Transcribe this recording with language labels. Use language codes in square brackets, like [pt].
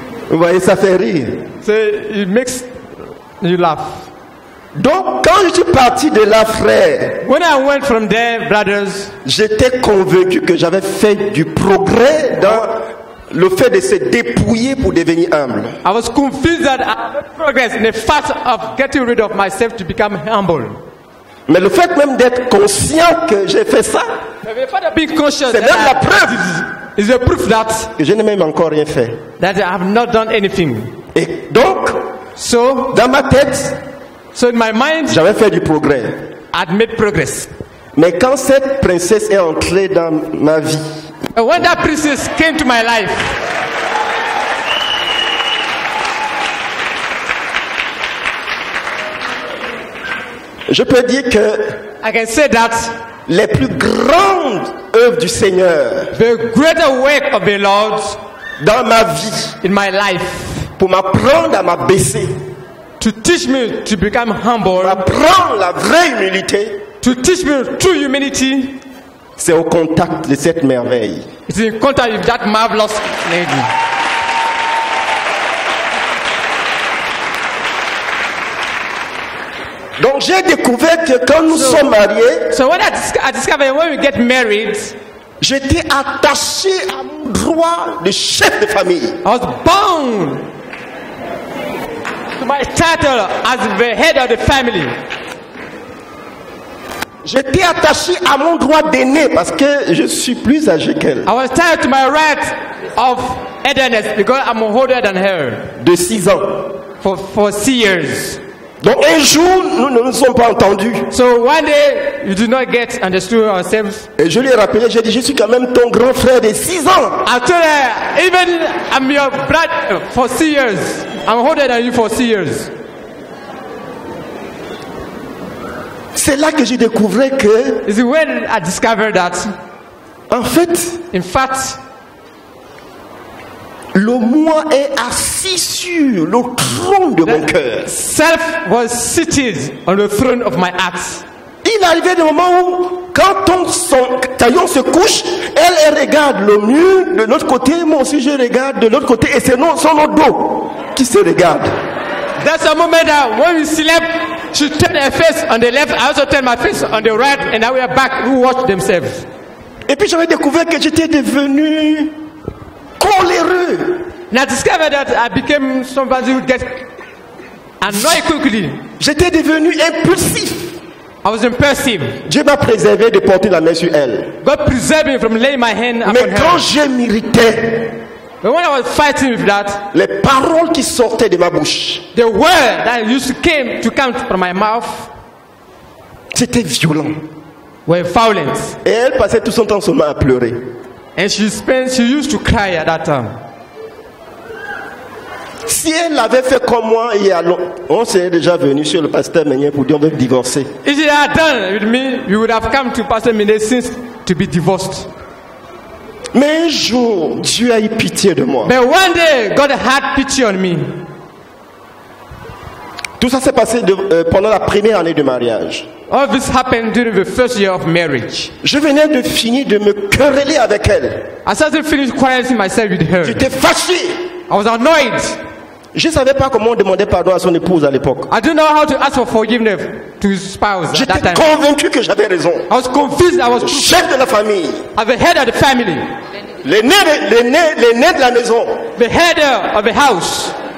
[fr] Vous voyez, ça fait rire. [en] So it makes you laugh. [fr] Donc, quand je suis parti de là, frère, [en] when I went from there, brothers, [fr] j'étais convaincu que j'avais fait du progrès dans le fait de se dépouiller pour devenir humble. [en] I was convinced that I had progressed in the fact of getting rid of myself to become humble. [fr] Mais le fait même d'être conscient que j'ai fait ça, c'est même la preuve. [en] Is a proof that [fr] que je n'ai même encore rien fait. [en] That I have not done anything. [fr] Et donc, [en] so, [fr] dans ma tête, [en] so in my mind, [fr] j'avais fait du progrès. [en] I'd made progress. [fr] Mais quand cette princesse est entrée dans ma vie, [en] and when that princess came to my life, [fr] je peux dire que [en] I can say that [fr] les plus grandes œuvres du Seigneur, [en] the greater work of the Lord, [fr] dans ma vie, [en] in my life, [fr] pour m'apprendre à m'abaisser, [en] to teach me to become humble, [fr] pour apprendre la vraie humilité, [en] to teach me true humility, [fr] c'est au contact de cette merveille. [en] It's in contact with that marvelous lady. [fr] Donc j'ai découvert que quand nous sommes mariés, [en] so what I discovered when we get married, [fr] j'étais attaché à mon droit de chef de famille. [en] I was bound to my title as the head of the family. [fr] J'étais attaché à mon droit d'aîné parce que je suis plus âgé qu'elle. [en] I was tied to my right of elderness because I'm older than her. [fr] De 6 ans. [en] For 6 years. [fr] Donc un jour, nous ne nous sommes pas entendus. [en] So one day, you do not get understood ourselves. [fr] Et je lui ai rappelé, j'ai dit, je suis quand même ton grand frère de 6 ans. [en] I told her, even I'm your brother for 6 years. I'm older than you for 6 years. [fr] C'est là que j'ai découvert que. [en] Is it when I discovered that? [fr] En fait. [en] In fact. [fr] Le moi est assis sur le trône de mon cœur. [en] Self was seated on the throne of my heart. [fr] Il arrivait des moments où, quand son taillon se couche, elle regarde le mur de l'autre côté, moi aussi je regarde de l'autre côté, et c'est non son dos qui se regarde. [en] That's a moment that when we slept. She turned her face on the left, I also turned my face on the right, and now we are back, who watched themselves. [fr] Et puis j'avais découvert que j'étais devenu coléreux. [en] And I discovered that I became somebody who gets annoyed quickly. [fr] J'étais devenu impulsif. [en] I was impulsive. [fr] Dieu m'a préservé de porter la main sur elle. [en] God preserved me from laying my hand upon [fr] Mais quand [en] her. [fr] Je m'irritais, [en] but when I was fighting with that, [fr] les paroles qui sortaient de ma bouche, [en] the word that used to come from my mouth, [fr] c'était violent. [en] Were violent. [fr] Et elle passait tout son temps seulement à pleurer. [en] And she used to cry at that time. [fr] Si elle avait fait comme moi il y a longtemps, on serait déjà venu sur le pasteur Meunier pour dire on veut divorcer. [en] If you had done with me, you would have come to Pastor Meunier since to be divorced. [fr] Mais un jour, Dieu a eu pitié de moi. [en] But one day, God had pity on me. [fr] Tout ça s'est passé pendant la première année de mariage. [en] All this happened during the first year of marriage. [fr] Je venais de finir de me quereller avec elle. [en] I started finishing quarreling myself with her. [fr] J'étais fâché. [en] I was annoyed. [fr] Je savais pas comment demander pardon à son épouse à l'époque. [en] I didn't know how to ask for forgiveness to his spouse at [fr] J'étais [en] that time. [fr] Convaincu que j'avais raison. [en] I was convinced I was [fr] chef de la famille. [en] I'm the head of the family. [fr] Le nez de la maison. [en] The head of the house.